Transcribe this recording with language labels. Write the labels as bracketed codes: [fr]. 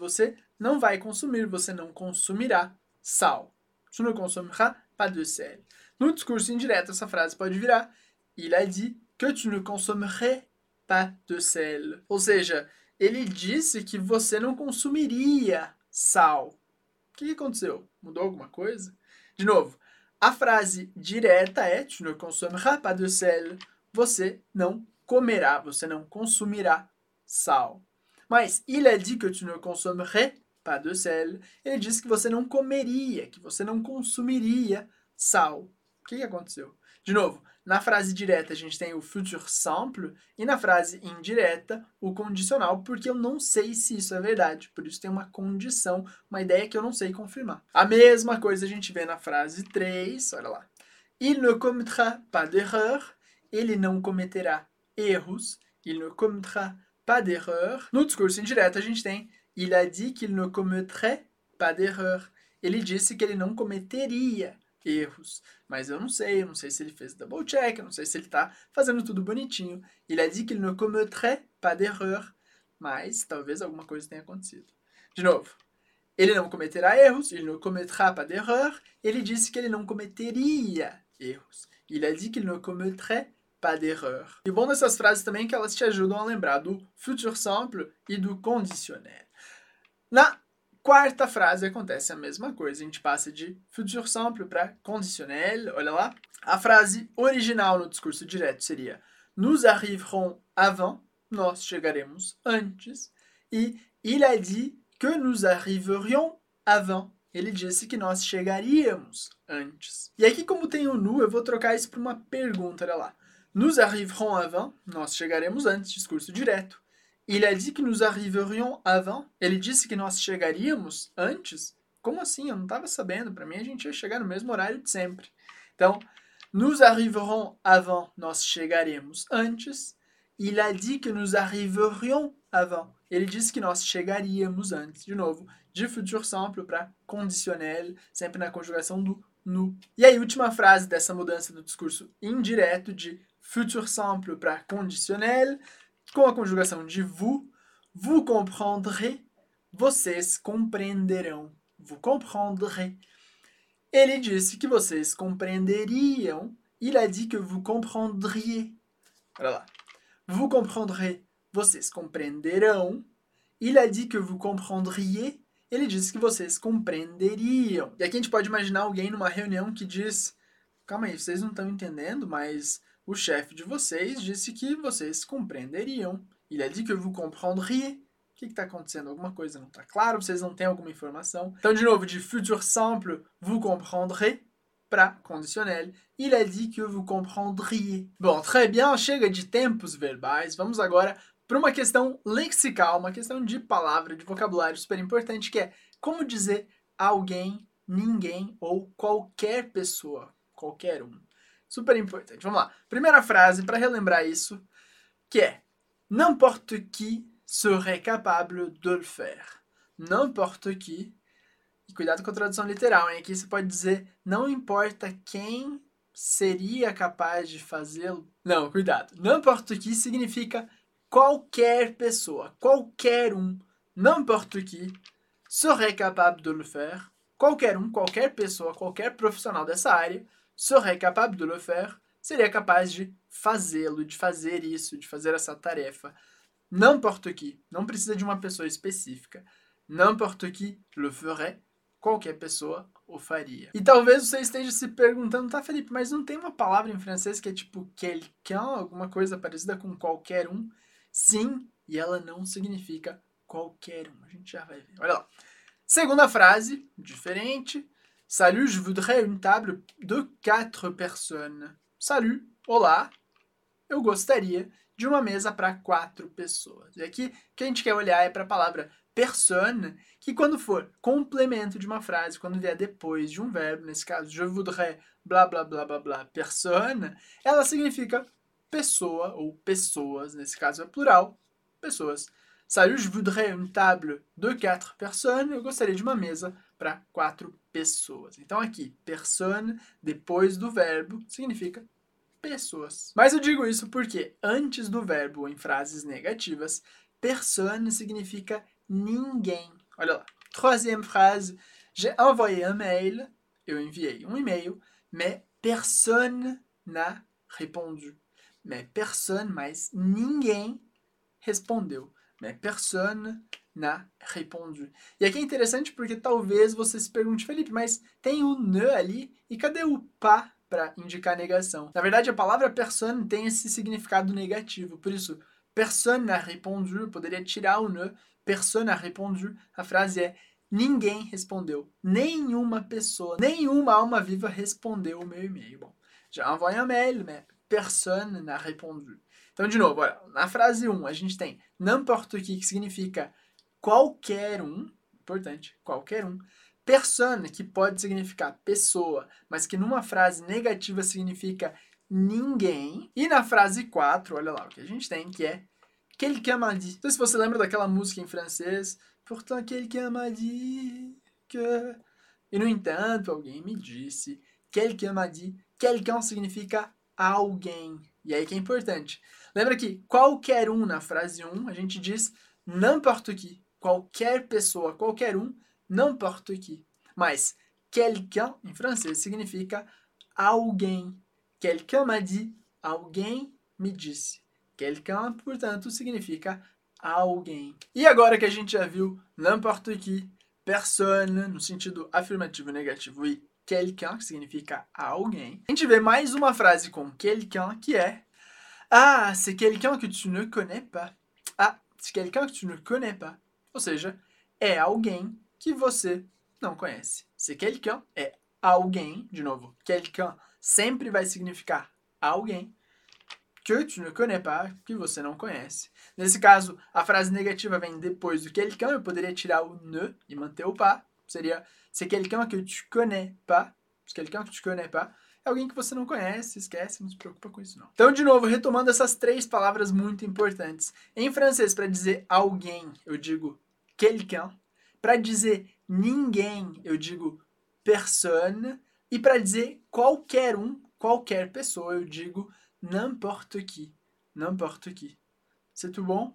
[pt] Você não vai consumir, você não consumirá sal. [fr] Tu ne consommeras pas de sel. [pt] No discurso indireto, essa frase pode virar [fr] il a dit que tu ne consommerais pas de sel. [pt] Ou seja, ele disse que você não consumiria sal. O que aconteceu? Mudou alguma coisa? De novo, a frase direta é [fr] tu ne consommeras pas de sel. [pt] Você não comerá, você não consumirá sal. Mas [fr] il a dit que tu ne consommerais pas de sel, [pt] ele disse que você não comeria, que você não consumiria sal. O que aconteceu? De novo, na frase direta a gente tem o futur simple e na frase indireta o condicional, porque eu não sei se isso é verdade, por isso tem uma condição, uma ideia que eu não sei confirmar. A mesma coisa a gente vê na frase 3, olha lá. [fr] Il ne commettra pas d'erreur, [pt] ele não cometerá erros, [fr] il ne commettra pas d'erreur. [pt] No discurso indireto a gente tem [fr] il a dit qu'il ne commettrait pas d'erreur. [pt] Ele disse que ele não cometeria erros. Mas eu não sei se ele fez double check, eu não sei se ele está fazendo tudo bonitinho. [fr] Il a dit qu'il ne commettrait pas d'erreur. [pt] Mas talvez alguma coisa tenha acontecido. De novo, ele não cometerá erros, [fr] il ne commettra pas d'erreur. [pt] Ele disse que ele não cometeria erros. [fr] Il a dit qu'il ne commettrait pas d'erreur. [pt] E bom dessas frases também é que elas te ajudam a lembrar do futur simple e do conditionnel. Na quarta frase acontece a mesma coisa. A gente passa de futuro simple para conditionnel. Olha lá. A frase original no discurso direto seria: [fr] Nous arriverons avant. [pt] Nós chegaremos antes. [fr] E il a dit que nous arriverions avant. [pt] Ele disse que nós chegaríamos antes. E aqui, como tem o nous, eu vou trocar isso para uma pergunta. Olha lá. [fr] Nous arriverons avant. [pt] Nós chegaremos antes. Discurso direto. [fr] Il a dit que nous arriverions avant. [pt] Ele disse que nós chegaríamos antes. Como assim? Eu não estava sabendo. Para mim, a gente ia chegar no mesmo horário de sempre. Então, [fr] nous arriverons avant. [pt] Nós chegaremos antes. [fr] Il a dit que nous arriverions avant. [pt] Ele disse que nós chegaríamos antes. De novo, de futuro simple para condicionel, sempre na conjugação do nous. E aí, última frase dessa mudança do discurso indireto de futuro simple para condicionel, com a conjugação de vous. [fr] Vous comprendrez. [pt] Vocês compreenderão. [fr] Vous comprendrez. [pt] Ele disse que vocês compreenderiam. [fr] Il a dit que vous comprendriez. [pt] Olha lá. [fr] Vous comprendrez. [pt] Vocês compreenderão. [fr] Il a dit que vous comprendriez. [pt] Ele disse que vocês compreenderiam. E aqui a gente pode imaginar alguém numa reunião que diz: calma aí, vocês não estão entendendo, mas o chefe de vocês disse que vocês compreenderiam. [fr] Il a dit que vous comprendriez. [pt] O que está acontecendo? Alguma coisa não está claro? Vocês não têm alguma informação? Então, de novo, de futuro simple, [fr] vous comprendrez, [pt] para condicionel. [fr] Il a dit que vous comprendriez. Bom, très bien, [pt] chega de tempos verbais. Vamos agora para uma questão lexical, uma questão de palavra, de vocabulário super importante, que é como dizer alguém, ninguém ou qualquer pessoa, qualquer um. Super importante. Vamos lá. Primeira frase para relembrar isso, que é: [fr] N'importe qui serait capable de le faire. N'importe qui. [pt] E cuidado com a tradução literal, hein? Aqui você pode dizer: não importa quem seria capaz de fazê-lo. Não, cuidado. N'importe qui significa qualquer pessoa, qualquer um. [fr] N'importe qui serait capable de le faire. [pt] Qualquer um, qualquer pessoa, qualquer profissional dessa área [fr] serait capable de le faire. [pt] Seria capaz de fazê-lo, de fazer isso, de fazer essa tarefa. N'importe qui. Não precisa de uma pessoa específica. [fr] N'importe qui le ferait. [pt] Qualquer pessoa o faria. E talvez você esteja se perguntando: tá, Felipe, mas não tem uma palavra em francês que é tipo quelqu'un, alguma coisa parecida com qualquer um? Sim, e ela não significa qualquer um. A gente já vai ver. Olha lá. Segunda frase, diferente. [fr] Salut, je voudrais une table de 4 personnes. [pt] Salut, olá. Eu gostaria de uma mesa para 4 pessoas. E aqui, o que a gente quer olhar é para a palavra personne, que quando for complemento de uma frase, quando vier depois de um verbo, nesse caso, je voudrais blá, blá, blá, blá, blá, personne, ela significa pessoa ou pessoas, nesse caso é plural, pessoas. [fr] Salut, je voudrais une table de 4 personnes. [pt] Eu gostaria de uma mesa para 4 pessoas. Então aqui, personne, depois do verbo, significa pessoas. Mas eu digo isso porque antes do verbo, em frases negativas, personne significa ninguém. [fr] Olha lá. Troisième phrase. J'ai envoyé un mail. [pt] Eu enviei um e-mail. [fr] Mais personne n'a répondu. Mais personne, [pt] mas ninguém respondeu. [fr] Mais personne n'a répondu. [pt] E aqui é interessante porque talvez você se pergunte: Felipe, mas tem o ne ali e cadê o pas para indicar negação? Na verdade, a palavra personne tem esse significado negativo. Por isso, personne n'a répondu, poderia tirar o ne. [fr] Personne n'a répondu. [pt] A frase é: ninguém respondeu. Nenhuma pessoa, nenhuma alma viva respondeu o meu e-mail. [fr] Bom, j'ai envoyé un mail, mais personne n'a répondu. [pt] Então, de novo, olha, na frase 1, a gente tem n'importe qui, que significa qualquer um, importante, qualquer um. Personne, que pode significar pessoa, mas que numa frase negativa significa ninguém. E na frase 4, olha lá o que a gente tem, que é [fr] quelqu'un m'a dit. [pt] Não sei se você lembra daquela música em francês. [fr] Pourtant, quelqu'un m'a dit que. [pt] E no entanto, alguém me disse. [fr] Quelqu'un m'a dit. [pt] Quelqu'un significa alguém. E aí que é importante. Lembra que qualquer um na frase 1, a gente diz n'importe qui. Qualquer pessoa, qualquer um, n'importe qui. Mas quelqu'un, em francês, significa alguém. [fr] Quelqu'un m'a dit. [pt] Alguém me disse. Quelqu'un, portanto, significa alguém. E agora que a gente já viu n'importe qui, personne no sentido afirmativo ou negativo e quelqu'un, que significa alguém. A gente vê mais uma frase com quelqu'un que é: ah, [fr] c'est quelqu'un que tu ne connais pas. Ah, c'est quelqu'un que tu ne connais pas. [pt] Ou seja, é alguém que você não conhece. C'est quelqu'un é alguém, de novo, quelqu'un sempre vai significar alguém [fr] que tu ne connais pas, [pt] que você não conhece. Nesse caso, a frase negativa vem depois do quelqu'un, eu poderia tirar o ne e manter o pas. [fr] Seria c'est quelqu'un que tu connais pas. C'est quelqu'un que tu connais pas. [pt] É alguém que você não conhece, esquece, não se preocupa com isso não. Então, de novo, retomando essas três palavras muito importantes. Em francês, para dizer alguém, eu digo quelqu'un. Para dizer ninguém, eu digo personne. E para dizer qualquer um, qualquer pessoa, eu digo n'importe qui. N'importe qui. [fr] C'est tout bon?